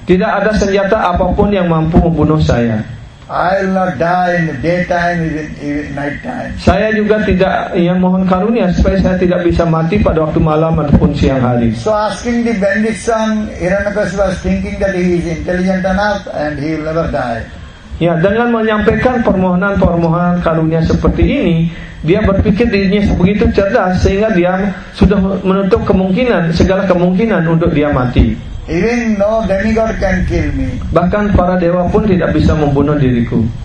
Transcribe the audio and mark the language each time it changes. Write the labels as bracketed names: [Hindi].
[Indonesian] Tidak ada senjata apapun yang mampu membunuh saya. [English] I'll not die in the daytime or night time. [Indonesian] Saya juga tidak, yang mohon karunia supaya saya tidak bisa mati pada waktu malam ataupun siang hari. [English] So asking the bandit son, Hiranyakashipu was thinking that he is intelligent enough and he will never die. [Indonesian] Ya, dengan menyampaikan permohonan-permohonan karunia seperti ini, dia berpikir dirinya begitu cerdas sehingga dia sudah menutup kemungkinan, segala kemungkinan untuk dia mati. [English] Even no demigod can kill me. [Indonesian] Bahkan para dewa pun tidak bisa membunuh diriku.